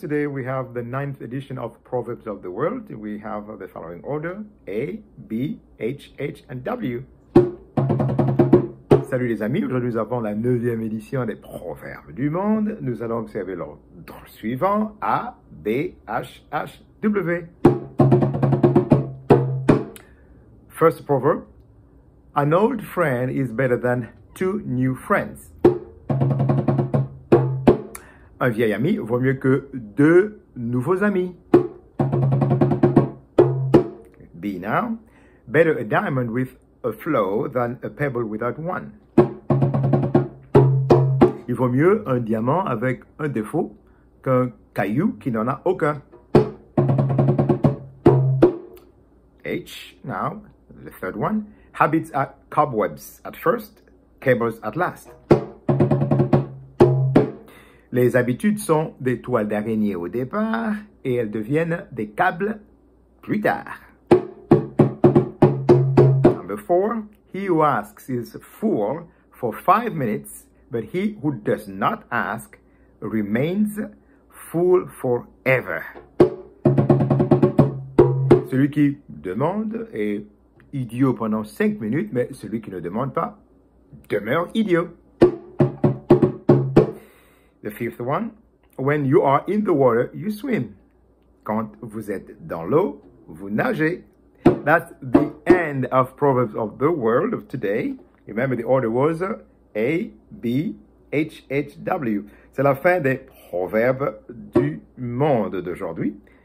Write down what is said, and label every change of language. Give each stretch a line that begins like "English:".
English: Today we have the ninth edition of Proverbs of the World. We have the following order: A, B, H, H, and W.
French: Salut les amis, aujourd'hui nous avons la 9e édition des Proverbes du Monde. Nous allons observer l'ordre suivant: A, B, H, H, W.
English: First proverb: An old friend is better than two new friends.
French: Un vieil ami vaut mieux que deux nouveaux amis.
English: B now. Better a diamond with a flaw than a pebble without one.
French: Il vaut mieux un diamant avec un défaut qu'un caillou qui n'en a aucun.
English: H now. The third one. Habits are cobwebs at first, cables at last.
French: Les habitudes sont des toiles d'araignée au départ et elles deviennent des câbles plus tard.
English: Number four, he who asks is a fool for 5 minutes, but he who does not ask remains fool forever.
French: Celui qui demande est idiot pendant 5 minutes, mais celui qui ne demande pas demeure idiot.
English: The fifth one, when you are in the water, you swim.
French: Quand vous êtes dans l'eau, vous nagez.
English: That's the end of Proverbs of the World of today. Remember, the order was A, B, H, H, W.
French: C'est la fin des Proverbes du Monde d'aujourd'hui.